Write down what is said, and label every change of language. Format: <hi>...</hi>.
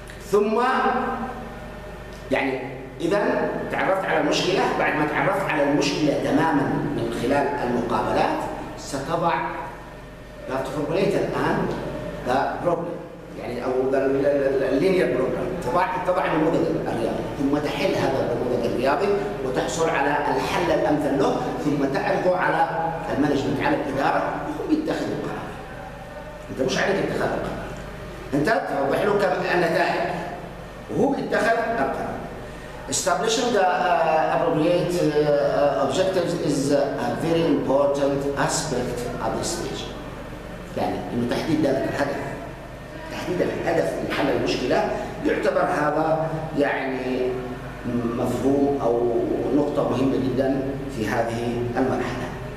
<ar>ثم يعني إذا تعرفت على المشكلة، بعد ما تعرفت على المشكلة تماما من خلال المقابلات ستضع</ar> <en>the formulator</en> <ar>الآن</ar> <en>the problem</en> <ar>يعني أو</ar> <en>linear problem،</en> <ar>تضع النموذج الرياضي ثم تحل هذا النموذج الرياضي وتحصل على الحل الأمثل له، ثم تعرضه على المانجمنت على الإدارة وهم يتخذوا القرار. أنت مش عليك اتخاذ القرار، أنت توضح له كم النتائج وهو اتخذ القرار.</ar> <en>Establishing the appropriate objectives is a very important aspect of this stage.</en> <ar>يعني إنه تحديد الهدف، تحديد الهدف من حل المشكلة يعتبر هذا يعني مفهوم أو نقطة مهمة جدا في هذه المرحلة.</ar>